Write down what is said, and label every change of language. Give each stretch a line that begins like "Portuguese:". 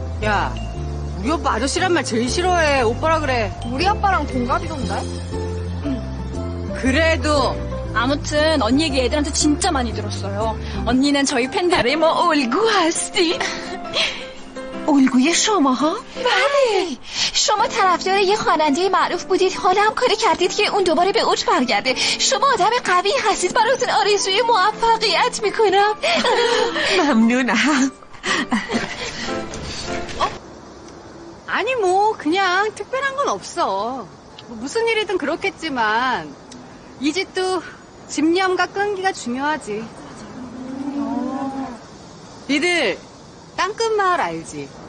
Korean: 야, 우리 오빠 아저씨란 말 제일 싫어해. 오빠라 그래. 우리 아빠랑 동갑이던데? 그래도 아무튼 언니 얘기 애들한테 진짜 많이 들었어요. 언니는 저희 팬들의 뭐 얼굴 아스티.
Persian: الگوی شماها؟ بله. شما طرفدار یه خواننده معروف بودید، حالا هم کاری کردید که اون دوباره به اوج برگرده. شما آدم قوی هستید، براتون آرزوی موفقیت میکنم. ممنونم.
Korean: آنی مو 그냥 특별한 건 없어. 무슨 일이든 그렇겠지만 이 집도 집념과 끈기가 중요하지. 니들 땅끝마을 알지?